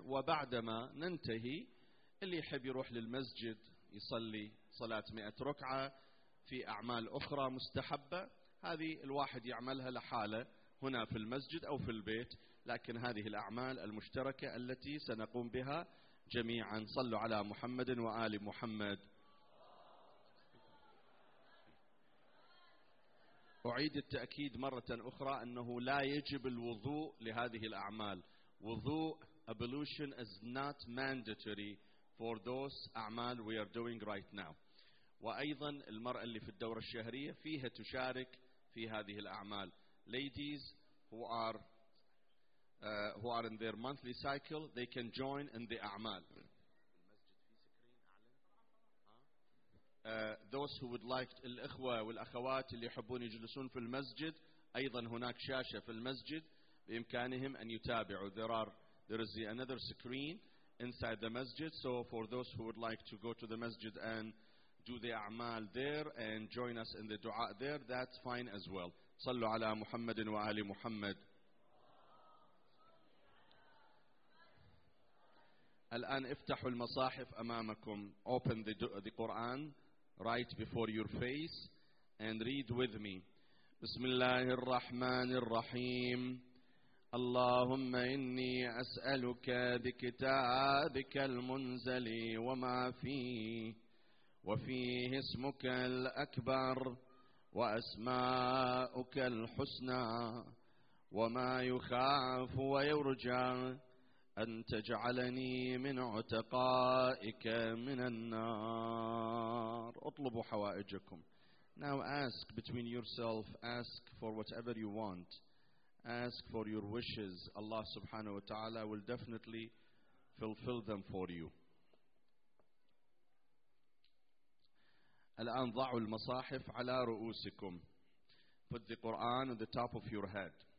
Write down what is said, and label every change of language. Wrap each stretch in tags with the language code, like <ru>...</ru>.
<ar>وبعدما ننتهي اللي يحب يروح للمسجد يصلي صلاة 100 ركعة في أعمال أخرى مستحبة، هذه الواحد يعملها لحالة هنا في المسجد أو في البيت، لكن هذه الأعمال المشتركة التي سنقوم بها جميعا. صلوا على محمد وآل محمد. أعيد التأكيد مرة أخرى أنه لا يجب الوضوء لهذه الأعمال.</ar> <en>وضوء ablution is not mandatory for those أعمال we are doing right now.</en> <ar>وأيضا المرأة اللي في الدورة الشهرية فيها تشارك في هذه الأعمال.</ar> <en>Ladies who are in their monthly cycle, they can join in the أعمال. Those who would like to,</en> <ar>الإخوة والأخوات اللي يحبون يجلسون في المسجد، أيضا هناك شاشة في المسجد بإمكانهم أن يتابعوا.</ar> <en>There is another screen inside the masjid, so for those who would like to go to the masjid and do the أعمال there and join us in the dua there, that's fine as well.</en> <ar>صلوا على محمد وآل محمد. الآن افتحوا المصاحف أمامكم.</ar> <en>Open the Quran right before your face and read with me.</en> <ar>بسم الله الرحمن الرحيم. اللهم إني أسألك بكتابك المنزل وما فيه وفيه اسمك الأكبر وأسماؤك الحسنى وما يخاف ويرجى أن تجعلني من عتقائك من النار. اطلبوا حوائجكم.</ar> <en>Now ask between yourself, ask for whatever you want, ask for your wishes. Allah subhanahu wa ta'ala will definitely fulfill them for you.</en> <ar>الآن ضعوا المصاحف على رؤوسكم.</ar> <en>Put the Quran on the top of your head.</en>